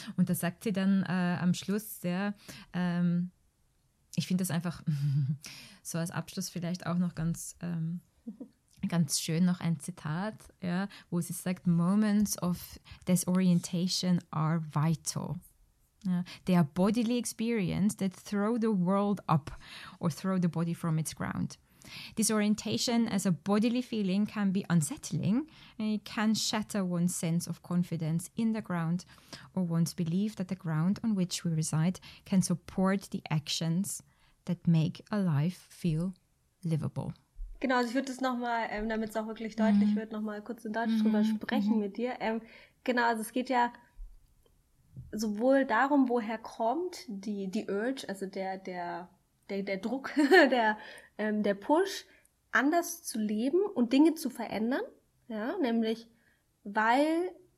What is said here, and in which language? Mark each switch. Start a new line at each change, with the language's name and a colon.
German: Und da sagt sie dann am Schluss, ja, ich finde das einfach so als Abschluss vielleicht auch noch ganz, ganz schön, noch ein Zitat, ja, wo sie sagt,
English: Moments of disorientation are vital. Yeah. They are bodily experiences that throw the world up or throw the body from its ground. Disorientation as a bodily feeling can be unsettling. And it can shatter one's sense of confidence in the ground or one's belief that the ground on which we reside can support the actions that make a life feel livable.
German: Genau, also ich würde das nochmal, damit es auch wirklich deutlich wird, nochmal kurz in Deutsch drüber sprechen mit dir. Genau, also es geht ja sowohl darum, woher kommt die Urge, also der Druck, der Push, anders zu leben und Dinge zu verändern, ja, nämlich weil